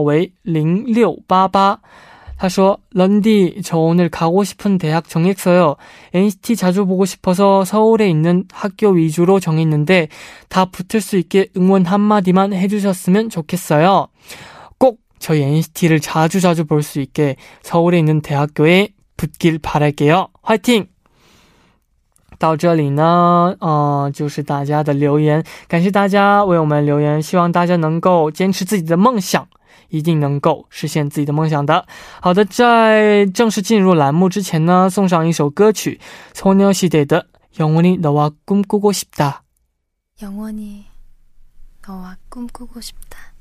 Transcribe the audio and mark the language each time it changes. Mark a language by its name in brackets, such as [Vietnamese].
[Chinese] 但是没关系，有我为你加油，你可以的。下一位朋友的手机尾号为0688，他说： [Korean] 런디, 저 오늘 가고 싶은 대학 정했어요. NCT 자주 보고 싶어서 서울에 있는 학교 위주로 정했는데 다 붙을 수 있게 응원 한마디만 해주셨으면 좋겠어요. 꼭 저희 NCT를 자주자주 볼 수 있게 서울에 있는 대학교에 붙길 바랄게요. 화이팅! [Chinese] 到这里呢，就是大家的留言，感谢大家为我们留言，希望大家能够坚持自己的梦想，一定能够实现自己的梦想的。好的，在正式进入栏目之前呢，送上一首歌曲，소녀시대的 영원히 너와 꿈꾸고 싶다. [Korean] 영원히 너와 꿈꾸고 싶다.